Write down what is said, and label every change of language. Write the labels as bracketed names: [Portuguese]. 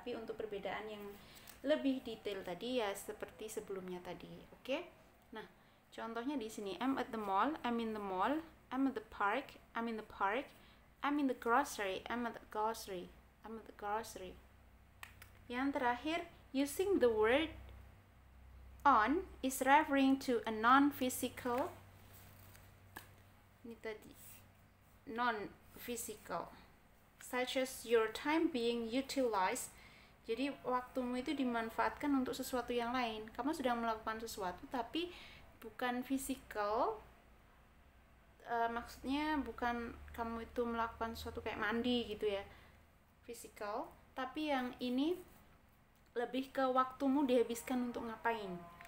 [Indonesian] Tapi untuk perbedaan yang lebih detail tadi ya seperti sebelumnya tadi, oke? Nah, contohnya di sini [English] I'm at the mall, I'm in the mall, I'm at the park, I'm in the park, I'm in the grocery, I'm at the grocery, I'm at the grocery. [Indonesian] Yang terakhir, [English] using the word on is referring to a non-physical. [Indonesian] Ini tadi [English] non-physical, such as your time being utilized. [Indonesian] Jadi waktumu itu dimanfaatkan untuk sesuatu yang lain. Kamu sedang melakukan sesuatu tapi bukan physical. Maksudnya bukan kamu itu melakukan sesuatu kayak mandi gitu ya, physical. Tapi yang ini lebih ke waktumu dihabiskan untuk ngapain.